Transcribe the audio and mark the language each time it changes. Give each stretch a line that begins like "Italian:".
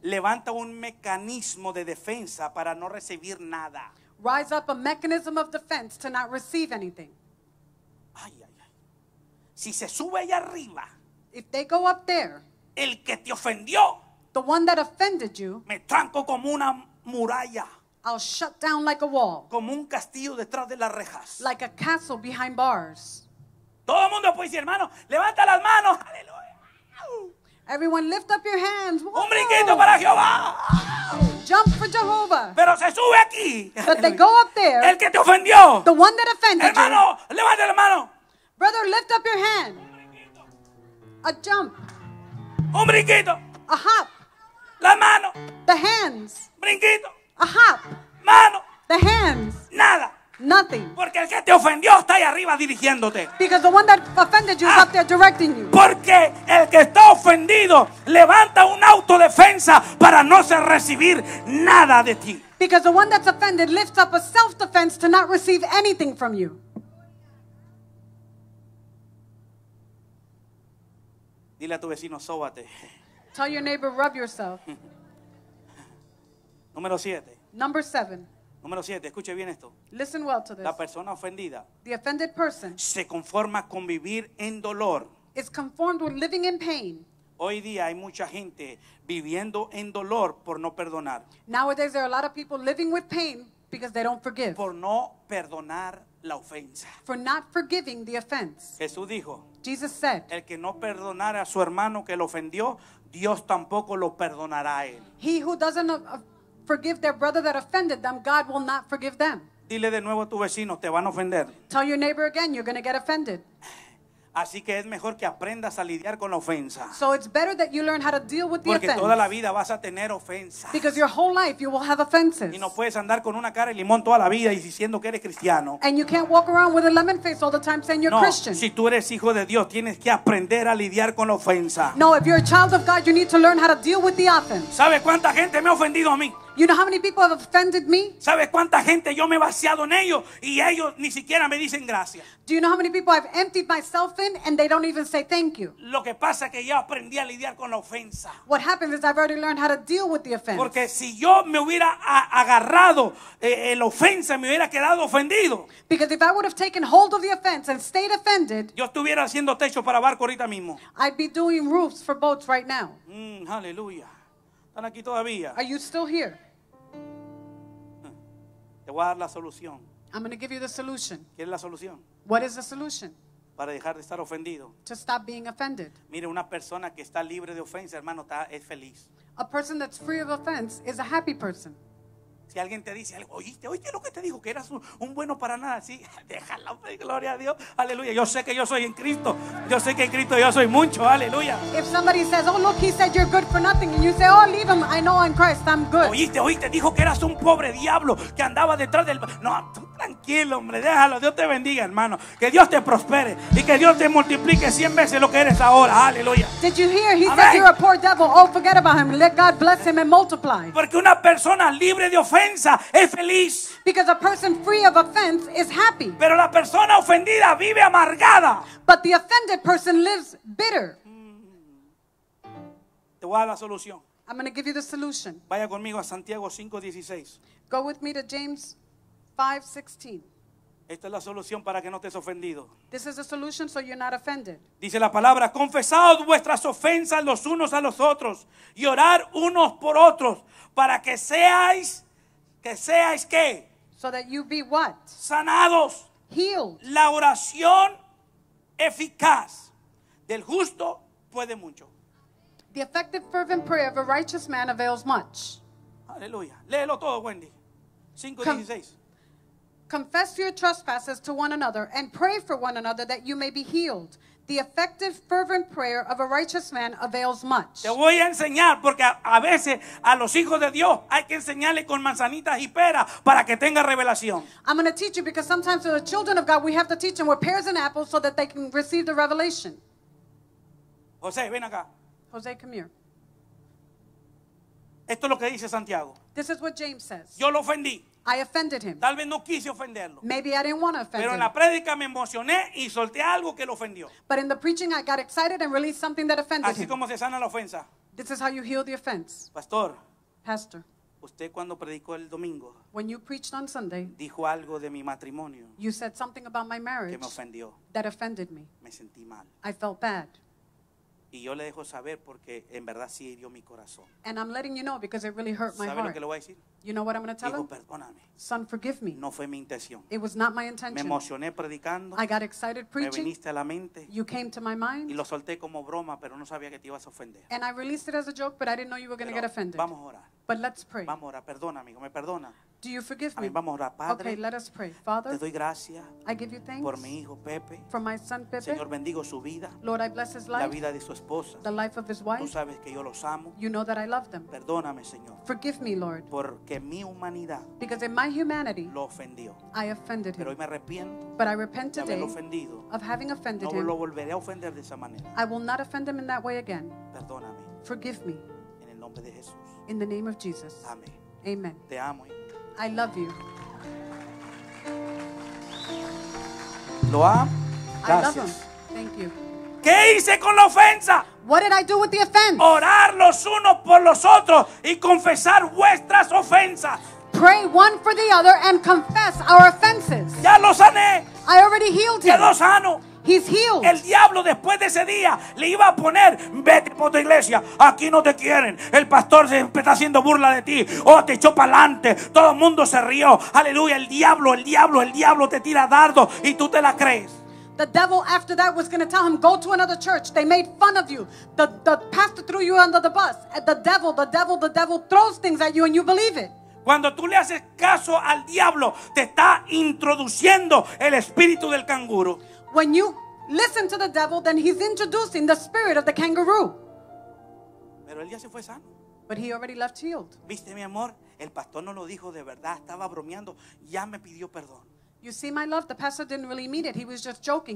Spanish: Levanta un mecanismo de defensa para no recibir nada.
English: Rise up a mechanism of defense to not receive anything.
Spanish: Ay, ay, ay. Si se sube allá arriba.
English: If they go up there.
Spanish: El que te ofendió.
English: The one that offended you.
Spanish: Me tranco como una muralla.
English: I'll shut down like a wall.
Spanish: Como un castillo detrás de las rejas.
English: Like a castle behind bars.
Spanish: Todo el mundo puede decir, hermano, levanta las manos. Aleluya.
English: Everyone lift up your hands.
Spanish: Whoa. Un brinquito para Jehová.
English: Jump for Jehovah.
Spanish: Pero se sube aquí.
English: But they go up there.
Spanish: El que te ofendió.
English: The one that offended
Spanish: hermano,
English: you.
Spanish: Hermano, levanta la mano.
English: Brother, lift up your hand. A jump.
Spanish: Un brinquito.
English: A hop.
Spanish: La mano.
English: The hands.
Spanish: Brinquito.
English: A hop.
Spanish: Mano.
English: The hands.
Spanish: Nada.
English: Nothing.
Spanish: Porque el que te ofendió está ahí arriba dirigiéndote.
English: Because the one that offended you is up there directing you.
Spanish: Porque el que está ofendido levanta una autodefensa para no ser recibir nada de ti.
English: Because the one that's offended lifts up a self-defense to not receive anything from you.
Spanish: Dile a tu vecino, sóbate.
English: Tell your neighbor, rub yourself.
Spanish: Número 7.
English: Number 7.
Spanish: Número 7, escuche bien esto.
English: Listen well to this.
Spanish: La persona ofendida.
English: The offended person.
Spanish: Se conforma con vivir en dolor.
English: Is conformed with living in pain.
Spanish: Hoy día hay mucha gente viviendo en dolor por no perdonar.
English: Nowadays there are a lot of people living with pain because they don't forgive.
Spanish: Por no perdonar la ofensa.
English: For not forgiving the offense.
Spanish: Jesús dijo.
English: Jesus said.
Spanish: El que no perdonara a su hermano que lo ofendió, Dios tampoco lo perdonará a él.
English: He who doesn't forgive their brother that offended them, God will not forgive them.
Spanish: Dile de nuevo a tu vecino, te van a ofender.
English: Tell your neighbor again, you're going to get offended.
Spanish: Así que es mejor que aprendas a lidiar con la ofensa.
English: So it's better that you learn how to deal with the offense.
Spanish: Porque toda la vida vas a tener ofensas.
English: Because your whole life you will have offenses.
Spanish: Y no puedes andar con una cara de limón toda la vida y diciendo que eres cristiano.
English: And you can't walk around with a lemon face all the time saying you're
Spanish: no,
English: Christian.
Spanish: Si tú eres hijo de Dios, tienes que aprender a lidiar con la ofensa.
English: No, if you're a child of God, you need to learn how to deal with the offense.
Spanish: ¿Sabe cuánta gente me ha ofendido a mí?
English: You know how many people have offended me?
Spanish: ¿Sabes cuánta gente yo me he vaciado en ellos y ellos ni siquiera me dicen gracias?
English: Do you know how many people I've emptied myself in and they don't even say thank you?
Spanish: Lo que pasa es que ya aprendí a lidiar con la ofensa.
English: What happens is I've already learned how to deal with the offense.
Spanish: Porque si yo me hubiera agarrado la ofensa, me hubiera quedado ofendido.
English: Because if I would have taken hold of the offense and stayed offended,
Spanish: yo estuviera haciendo techo para barco ahorita mismo.
English: I'd be doing roofs for boats right now.
Spanish: Hallelujah. ¿Están aquí todavía?
English: Are you still here?
Spanish: Te voy a dar la solución.
English: I'm going to give you the solution.
Spanish: ¿Qué es la solución?
English: What is the solution?
Spanish: Para dejar de estar ofendido.
English: To stop being offended.
Spanish: Mire, una persona que está libre de ofensa, hermano, es feliz.
English: A person that's free of offense is a happy person.
Spanish: Si alguien te dice algo, oíste lo que te dijo, que eras un bueno para nada, sí, déjalo, gloria a Dios, aleluya, yo sé que yo soy en Cristo, yo sé que en Cristo yo soy mucho, aleluya.
English: If somebody says, oh look, he said you're good for nothing, and you say, oh leave him, I know in Christ I'm good.
Spanish: Oíste, dijo que eras un pobre diablo, que andaba detrás del, no, tú tranquilo hombre, déjalo, Dios te bendiga hermano, que Dios te prospere, y que Dios te multiplique 100 veces lo que eres ahora, aleluya.
English: Did you hear, he said you're a poor devil, oh forget about him, let God bless him and multiply.
Spanish: Porque una persona libre de ofensa es feliz.
English: Because a person free of offense is happy.
Spanish: Pero la persona ofendida vive amargada.
English: But the offended person lives bitter.
Spanish: Te voy a dar la solución.
English: I'm going to give you the solution.
Spanish: Vaya conmigo a Santiago 5:16.
English: Go with me to James 5:16.
Spanish: Esta es la solución para que no estés ofendido.
English: This is the solution so you're not offended.
Spanish: Dice la palabra, confesaos vuestras ofensas los unos a los otros y orar unos por otros para que seáis ¿qué?
English: So that you be what?
Spanish: Sanados.
English: Healed.
Spanish: La oración eficaz del justo puede mucho.
English: The effective fervent prayer of a righteous man avails much.
Spanish: Aleluya. Léelo todo, Wendy. 5:16.
English: Confess your trespasses to one another and pray for one another that you may be healed. The effective fervent prayer of a righteous man avails much.
Spanish: Te voy a enseñar porque a veces a los hijos de Dios hay que enseñarle con manzanitas y peras para que tenga revelación.
English: I'm going to teach you because sometimes to the children of God we have to teach them with pears and apples so that they can receive the revelation.
Spanish: José, ven acá.
English: José, come here.
Spanish: Esto es lo que dice Santiago.
English: This is what James says.
Spanish: Yo lo ofendí.
English: I offended him.
Spanish: Tal vez no quise ofenderlo.
English: Maybe I didn't want to offend him.
Spanish: Pero en la prédica me emocioné y solté algo que lo ofendió.
English: But in the preaching I got excited and released something that offended
Spanish: him. Así como se sana la ofensa.
English: This is how you heal the offense.
Spanish: Pastor.
English: Pastor.
Spanish: Usted cuando predicó el domingo.
English: When you preached on Sunday.
Spanish: Dijo algo de mi matrimonio.
English: You said something about my marriage.
Spanish: Que me ofendió.
English: That offended me.
Spanish: Me sentí mal.
English: I felt bad.
Spanish: Y yo le dejo saber porque en verdad sí hirió mi corazón.
English: And I'm letting you know because it really hurt my heart.
Spanish: ¿Sabe lo que le voy a decir?
English: You know what I'm going to tell
Spanish: Hijo,
English: him?
Spanish: Perdóname.
English: Son, forgive me.
Spanish: No fue mi intención.
English: It was not my intention.
Spanish: Me emocioné predicando.
English: I got excited preaching.
Spanish: Me viniste a la mente.
English: You came to my mind.
Spanish: Y lo solté como broma, pero no sabía que te ibas a ofender.
English: And I released it as a joke, but I didn't know you were going to get offended.
Spanish: Vamos a orar.
English: But let's pray.
Spanish: Vamos a orar. Perdona, amigo. Me perdona.
English: Do you forgive me?
Spanish: Vamos a orar, Padre.
English: Okay, let us pray. Father,
Spanish: te doy gracias.
English: I give you thanks
Spanish: por mi hijo Pepe.
English: For my son Pepe.
Spanish: Señor, bendigo su vida.
English: Lord, I bless his life.
Spanish: La vida de su esposa.
English: The life of his wife.
Spanish: Tú sabes que yo los amo.
English: You know that I love them.
Spanish: Perdóname, Señor.
English: Forgive me, Lord.
Spanish: Porque mi humanidad.
English: Because in my humanity.
Spanish: Lo ofendió.
English: I offended him.
Spanish: Pero hoy me arrepiento.
English: But I repent today.
Spanish: De haberlo ofendido.
English: Of having offended
Spanish: no
English: him.
Spanish: No lo volveré a ofender de esa manera.
English: I will not offend him in that way again.
Spanish: Perdóname.
English: Forgive me.
Spanish: En el nombre de Jesús.
English: In the name of Jesus.
Spanish: Amén.
English: Amen.
Spanish: Te amo.
English: I love you.
Spanish: Lo amo. Gracias.
English: I love him. Thank you.
Spanish: ¿Qué hice con la ofensa?
English: What did I do with the offense?
Spanish: Orar los unos por los otros y confesar vuestras ofensas.
English: Pray one for the other and confess our offenses.
Spanish: Ya lo sané.
English: I already healed him.
Spanish: Quedó sano.
English: He's healed.
Spanish: El diablo después de ese día le iba a poner, vete por tu iglesia, aquí no te quieren, el pastor se está haciendo burla de ti, oh, te echó para adelante, todo el mundo se rió, aleluya, el diablo te tira dardo y tú te la crees.
English: The devil after that was going to tell him, go to another church, they made fun of you, the pastor threw you under the bus, the devil throws things at you and you believe it.
Spanish: Cuando tú le haces caso al diablo, te está introduciendo el espíritu del canguro.
English: When you listen to the devil, then he's introducing the spirit of the kangaroo.
Spanish: Pero él ya se fue sano.
English: But he already left healed.
Spanish: ¿Viste, mi amor? El pastor no lo dijo de verdad. Estaba bromeando. Ya me pidió perdón.
English: You see, my love, the pastor didn't really mean it. He was just joking.